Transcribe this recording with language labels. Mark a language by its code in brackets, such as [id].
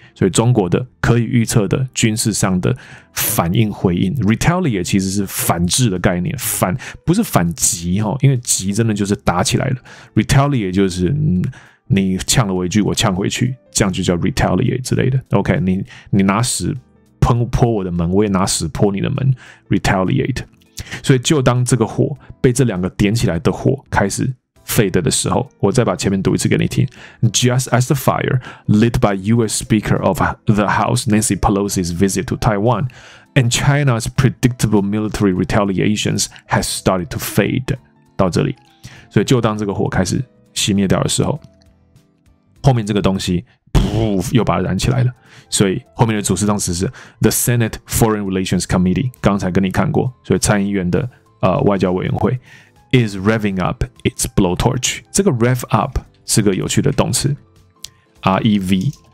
[zh] 所以中国的可以预测的军事上的反应回应 ，retaliate 其实是反制的概念，反不是反击哈，因为击真的就是打起来了 ，retaliate 就是、你呛了我一句，我呛回去，这样就叫 retaliate 之类的。 OK， 你拿屎喷泼我的门，我也拿屎泼你的门 ，retaliate。所以就当这个火被这两个点起来的火开始。 Fade 的时候，我再把前面读一次给你听。 [en] Just as the fire lit by U.S. Speaker of the House Nancy Pelosi's visit to Taiwan and China's predictable military retaliations has started to fade. [zh] 到这里，所以就当这个火开始熄灭掉的时候，后面这个东西又把它燃起来了。所以后面的主词动词是 the Senate Foreign Relations Committee. 刚才跟你看过，所以参议院的外交委员会。 [en] Is revving up its blowtorch. [zh] 这个 [en] rev up [zh] 是个有趣的动词 [en] ，rev.